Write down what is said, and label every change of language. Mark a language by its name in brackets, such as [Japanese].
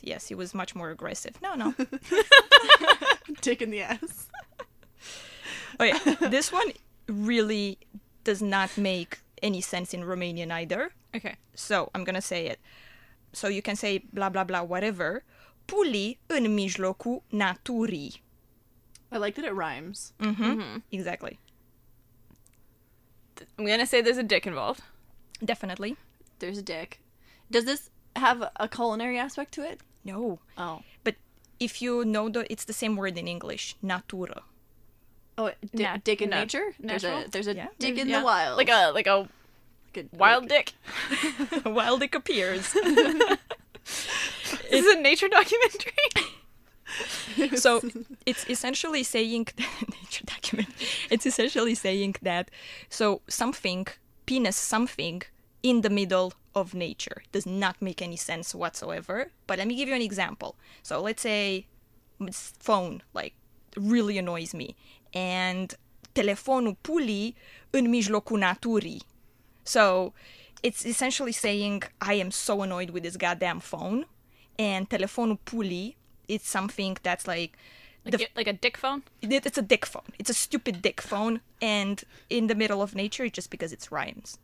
[English] Yes, he was much more aggressive. No. Dick in the ass. Oh yeah. This one really does not make any sense in Romanian either. Okay. So I'm going to say it. So you can say blah, blah, blah, whatever. [Romanian] Puli în mijlocul naturii. [English] I like that it rhymes. Mm-hmm. Mm-hmm. Exactly. I'm going to say there's a dick involved. Definitely. There's a dick. Does this have a culinary aspect to it? No. Oh. But if you know, it's the same word in English, natura. Oh, dick in nature? There's a dick in the wild. Like a wild dick. A wild dick appears. Is it a nature documentary? So it's essentially saying... nature documentary. It's essentially saying that... So something, penis something, in the middle of nature does not make any sense whatsoever. But let me give you an example. So let's say phone, like, really annoys me. [Romanian] And telefonul puli în mijlocul naturii. [English] So it's essentially saying, I am so annoyed with this goddamn phone. And [Romanian] telefonul puli, [English] it's something that's like a dick phone? It's a dick phone. It's a stupid dick phone. And in the middle of nature, just because it's rhymes.